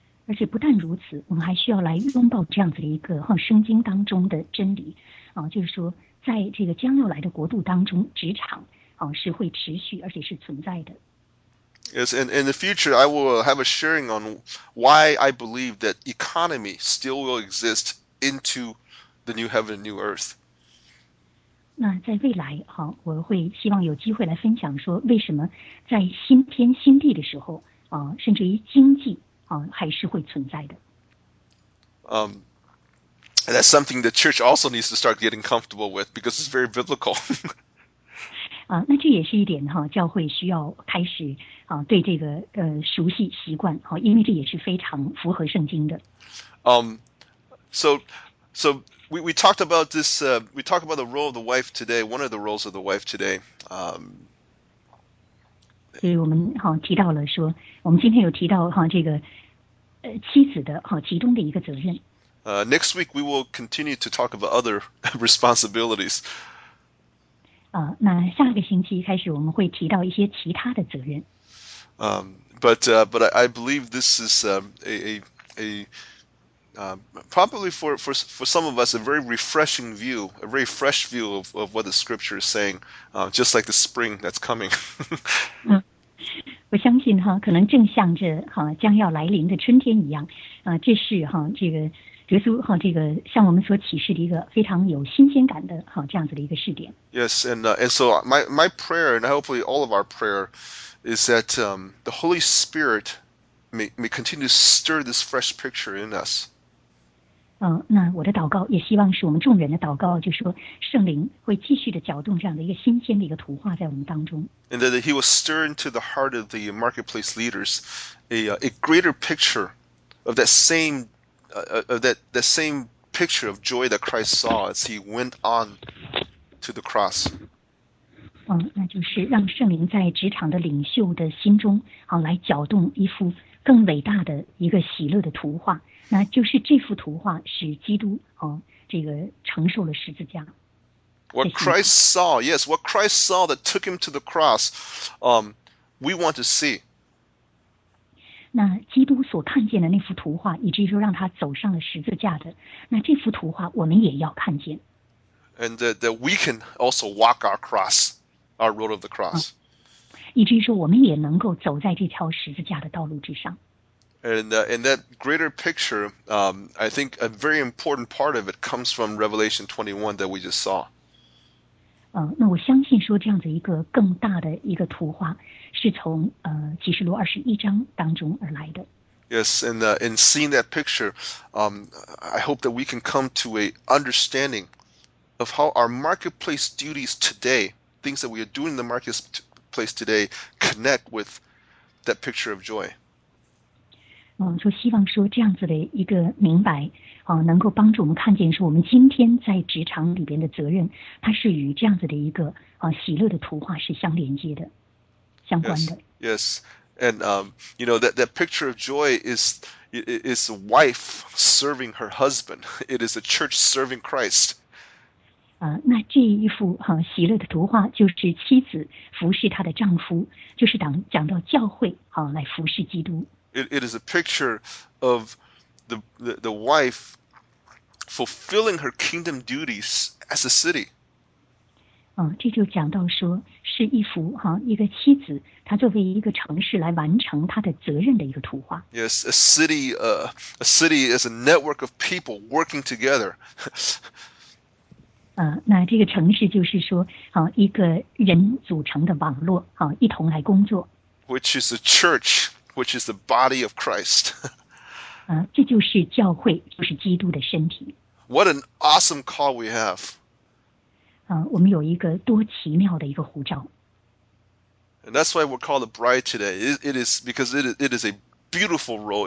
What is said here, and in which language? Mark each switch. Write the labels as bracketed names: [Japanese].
[Chinese] 而且不但如此，我们还需要来拥抱这样子的一个圣经当中的真理就是说在这个将要来的国度当中，职场是会持续而且是存在的。 [English] Yes, and in the future I will have a sharing on why I believe that economy still will exist into the new heaven and new earth. [Chinese] 那在未来我会希望有机会来分享说为什么在新天新地的时候甚至于经济还是会存在的。 [English] And that's something the church also needs to start getting comfortable with because it's very biblical. [Chinese] 那这也是一点教会需要开始对这个熟悉习惯因为这也是非常符合圣经的。 [English] So we talked about this, we talked about the role of the wife today, one of the roles of the wife today. [Chinese] 所以我们提到了说我们今天有提到这个妻子的其中的一个责任。 [English] Next week we will continue to talk about other responsibilities. [Chinese] 那下个星期开始我们会提到一些其他的责任。 [English] But I believe this is probably for some of us a very refreshing view, a very fresh view of what the scripture is saying, just like the spring that's coming. [Chinese] 我相信可能正像这将要来临的春天一样这是这个耶稣这个向我们所启示的一个非常有新鲜感的这样子的一个试点。 [English] Yes, and so my prayer, and hopefully all of our prayer, is that the Holy Spirit may continue to stir this fresh picture in us. [Chinese] 那我的祷告也希望是我们众人的祷告，就是说圣灵会继续的搅动这样的一个新鲜的一个图画在我们当中。 [English] And that he will stir into the heart of the marketplace leaders a greater picture of that same that same picture of joy that Christ saw as he went on to the cross. [Chinese] 那就是让圣灵在职场的领袖的心中来搅动一幅更伟大的一个喜乐的图画，那就是这幅图画使基督这个承受了十字架。 [English] What Christ saw, yes, what Christ saw that took him to the cross, we want to see. [Chinese] 那基督所看见的那幅图画，以至于说让他走上了十字架的，那这幅图画我们也要看见。 [English] and that we can also walk our cross, our road of the cross. [Chinese] 以至于说我们也能够走在这条十字架的道路之上。 [English] And in that greater picture, I think a very important part of it comes from Revelation 21 that we just saw. [Chinese] 那我相信说这样的一个更大的一个图画是从启示录二十一章当中而来的。 [English] Yes, and in seeing that picture, I hope that we can come to a understanding of how our marketplace duties today, things that we are doing in the marketplace today, connect with that picture of joy. [Chinese] 就希望说这样子的一个明白，能够帮助我们看见说我们今天在职场里边的责任，它是与这样子的一个喜乐的图画是相连接的，相关的。 [English] Yes. And you know that picture of joy is a wife serving her husband. It is a church serving Christ. [Chinese] 那这一幅喜乐的图画就是妻子服侍她的丈夫，就是讲到教会来服侍基督。 [English] It is a picture of the wife fulfilling her kingdom duties as a city. [Chinese] 这就讲到说。是一幅一个妻子她作为一个城市来完成她的责任的一个图画。 [English] Yes, a city is a network of people working together. [Chinese] 那这个城市就是说一个人组成的网络一同来工作。 [English] Which is a church, which is the body of Christ. [Chinese] 这就是教会就是基督的身体。 [English] What an awesome call we have. [Chinese] 我们有一个多奇妙的一个呼召。 [English] And that's why we're called a bride today. It is because it is a beautiful role.